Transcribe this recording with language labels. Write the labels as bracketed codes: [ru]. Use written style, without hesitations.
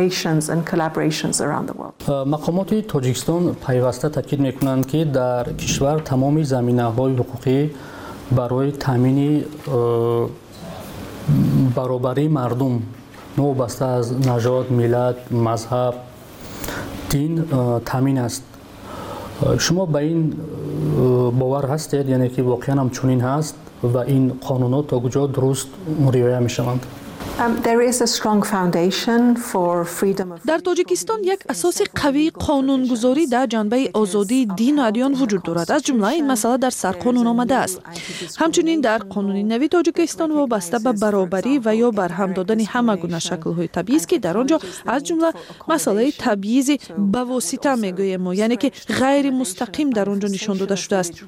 [fa] مقامات تاجیکستان پیوسته تاکید میکنند که در کشور تمام زمینه های حقوقی برای تامین برابری مردم وابسته از نژاد، ملت، مذهب، دین تامین است. شما به این باور هستید یعنی که واقعا هم چنین هست و این قانونات تا کجا درست رعایت می شوند؟ [en] There is a strong foundation for freedom of [fa] در تاجیکستان یک اساس قوی قانونگذاری در جنبه آزادی دین و ادیان وجود دارد. از جمله این مسئله در سر قانون آمده است. همچنین در قانون نوی تاجیکستان وابسته به برابری و یا برهم دادن همه گونه شکل های تبعیض که در آنجا از جمله مسئله تبعیض به واسطه میگوییم، یعنی که غیر مستقیم در آنجا نشان داده شده است.